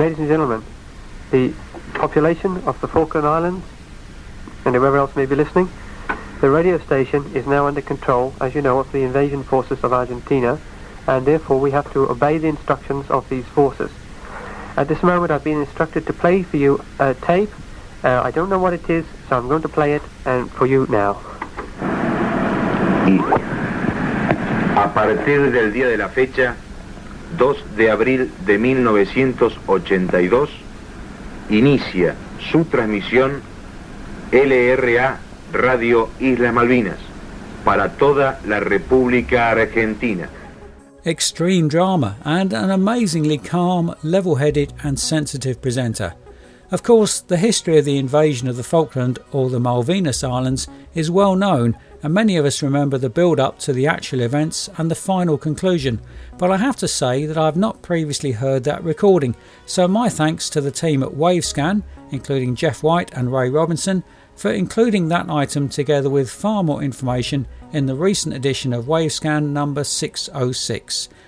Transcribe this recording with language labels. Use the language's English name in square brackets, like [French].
[English] Ladies and gentlemen, the population of the Falkland Islands and whoever else may be listening, the radio station is now under control, as you know, of the invasion forces of Argentina, and therefore we have to obey the instructions of these forces. At this moment I've been instructed to play for you a tape. I don't know what it is, so I'm going to play it and for you now. [Spanish] A partir del día de la fecha 2 de abril de 1982 inicia su transmisión LRA Radio Islas Malvinas para toda la República Argentina. [English] Extreme drama and an amazingly calm, level-headed and sensitive presenter. Of course, the history of the invasion of the Falkland or the Malvinas Islands is well known, and many of us remember the build-up to the actual events and the final conclusion, but I have to say that I have not previously heard that recording, so my thanks to the team at Wavescan, including Jeff White and Ray Robinson, for including that item together with far more information in the recent edition of Wavescan number 606.